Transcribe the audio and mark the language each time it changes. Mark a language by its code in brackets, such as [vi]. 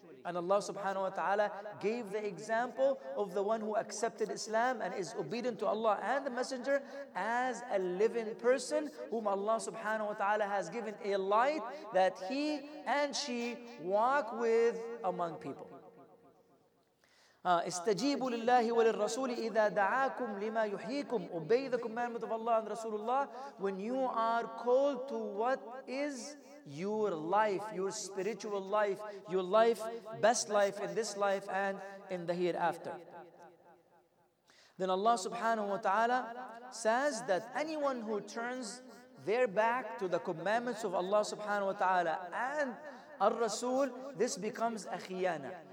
[en] And Allah subhanahu wa ta'ala gave the example of the one who accepted Islam and is obedient to Allah and the Messenger as a living person whom Allah subhanahu wa ta'ala has given a light that he and she walk with among people. [ar] استجيبوا لله وللرسول إذا دعاكم لما يحييكم. [en] Obey the commandment of Allah and Rasulullah when you are called to what is your life, your spiritual life, your life, best life in this life and in the hereafter. Then Allah subhanahu wa ta'ala says that anyone who turns their back to the commandments of Allah subhanahu wa ta'ala and al-Rasul, this becomes a khiyana.